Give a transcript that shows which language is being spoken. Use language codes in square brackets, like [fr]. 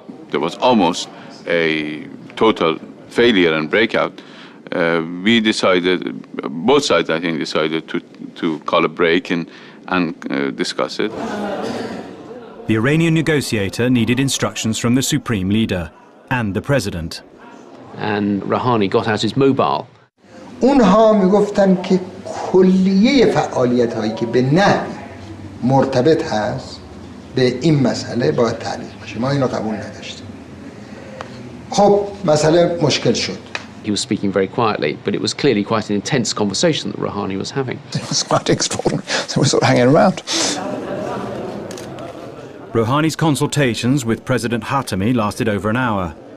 [en] There was almost a total failure and breakout. We decided, both sides, I think, decided to call a break and discuss it. The Iranian negotiator needed instructions from the supreme leader and the president. And Rouhani got out his mobile. [fa] اونها میگفتن که کلیه فعالیت هایی که به نه مرتبط هست به این مسئله باید تعلیق باشه. ما اینو قبول نداشتیم. خب مسئله مشکل شد. [en] He was speaking very quietly, but it was clearly quite an intense conversation that Rouhani was having. It was quite extraordinary. So we're sort of hanging around. Rouhani's consultations with President Khatami lasted over an hour.